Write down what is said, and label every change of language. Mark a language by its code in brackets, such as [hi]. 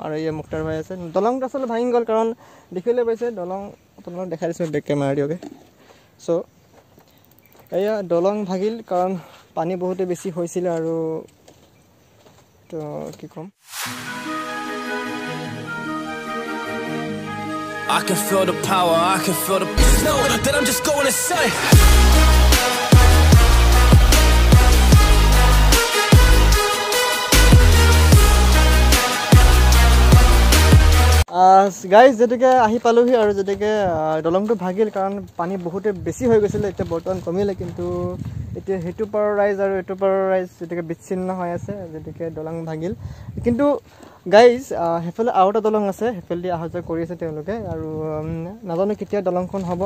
[as] আৰু এয়া মুক্তাৰ ভাই আছে, দলংটো আচলতে ভাঙি গ'ল কাৰণ দেখিবলৈ পাইছে দলং আপোনালোকক দেখাই দিছোঁ বেক কেমেৰা দিয়কে। চ' এয়া দলং ভাগিল কাৰণ পানী বহুতে বেছি হৈছিলে আৰু তো কি ক'ম। [en] I can feel the power, I can feel the just know that I'm just going insane guys. [as] যেতিকে আহি পালোহি আৰু যেতিকে দলংটো ভাগিল কাৰণ পানী বহুতে বেছি হৈ গৈছিলে, এতিয়া বৰ্তমান কমিলে কিন্তু এতিয়া সেইটো পাৰৰ ৰাইজ আৰু এইটো পাৰৰ ৰাইজ যেতিকে বিচ্ছিন্ন হৈ আছে যেতিকে দলং ভাঙিল। কিন্তু গাইজ সেইফালে আৰু এটা দলং আছে, সেইফালেদি অহা যোৱা কৰি আছে তেওঁলোকে আৰু নাজানো কেতিয়া দলংখন হ'ব।